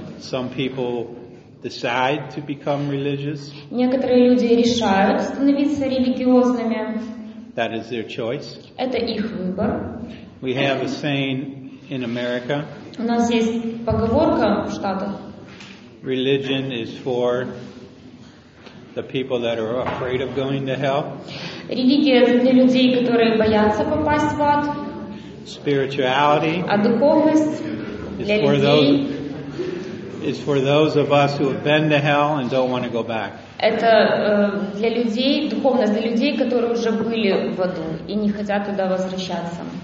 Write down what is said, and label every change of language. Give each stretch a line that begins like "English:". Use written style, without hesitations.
English: Some people decide to become religious.
Russian: Некоторые люди решают становиться религиозными.
English: That is their choice.
Russian: Это их выбор.
English: We have a saying in America.
Russian: У нас есть поговорка в Штатах.
English: Religion is for the people that are afraid of going to hell.
Russian: Религия для людей, которые боятся попасть в ад.
English: Spirituality.
Russian: А духовность для людей.
English: It's for those of us who have been to hell and don't want to go back.
Russian: Это для людей, духовность для людей, которые уже были в аду и не хотят туда возвращаться.